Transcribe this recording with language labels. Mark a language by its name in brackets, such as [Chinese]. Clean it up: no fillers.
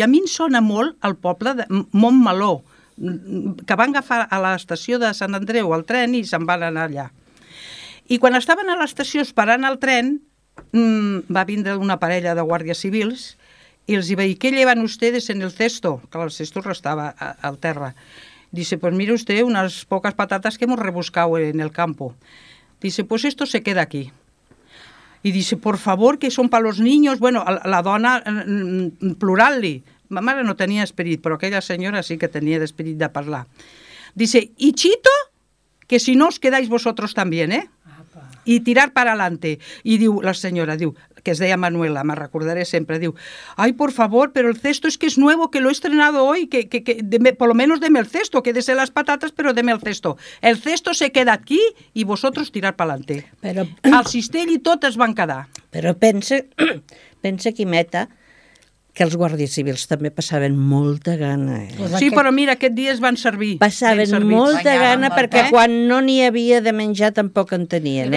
[Catalan] I a mi em sona molt el poble de Montmeló, que van agafar a l'estació de Sant Andreu el tren i se'n van anar allà. I quan estaven a l'estació esperant el tren, va vindre una parella de guàrdies civils, i els va dir, [Spanish] ¿qué llevan ustedes en el cesto? [Catalan] Clar, el cesto restava al terra. [Spanish] Dice, pues mire usted, unas pocas patatas que hemos rebuscado en el campo. Dice, pues esto se queda aquí. Y dice, por favor, que son para los niños. [Catalan] Bueno, la dona, plural-li. Ma mare no tenia esperit, però aquella senyora sí que tenia d'esperit de parlar. [Spanish] Dice, y chito, que si no os quedáis vosotros también, ¿eh? Y tirar para adelante. [Catalan] Y diu, la senyora, diu... que es deia Manuela, me recordaré sempre, diu, [Spanish] ay, por favor, pero el cesto es que es nuevo, que lo he estrenado hoy, que deme, por lo menos deme el cesto, quédese las patatas, pero deme el cesto. El cesto se queda aquí y vosotros tirar pa'lante. [Catalan] Però... El cistell i tot es van quedar. Però pensa, Quimeta, que els guàrdies civils també passaven molta gana. Eh? Pues sí, aquest... però mira, aquest dia es van servir. Passaven molta Venga, gana perquè quan no n'hi havia de menjar tampoc en tenien.